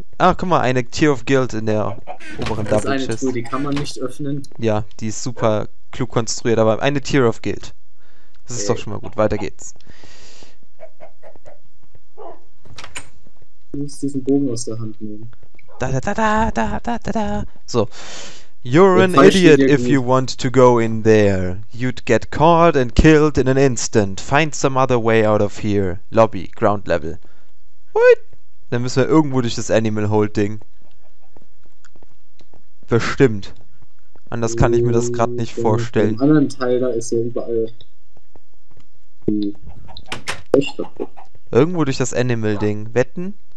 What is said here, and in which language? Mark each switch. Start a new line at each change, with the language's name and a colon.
German: Ah, guck mal, eine Tear of Guild in der oberen Double Chest. Das ist eine Truhe, die kann man nicht öffnen. Ja, die ist super klug konstruiert, aber eine Tear of Guild. Das ist doch schon mal gut. Weiter geht's. Du musst diesen Bogen aus der Hand nehmen. Da. So.
English: You're an idiot if you want to go in there. You'd get caught and killed in an instant. Find some other way out of here. Lobby, ground level. What?
German: Dann müssen wir irgendwo durch das Animal Hold Ding. Bestimmt. Anders kann ich mir das gerade nicht vorstellen. Im anderen Teil da ist ja überall. Irgendwo durch das Animal Ding. Wetten?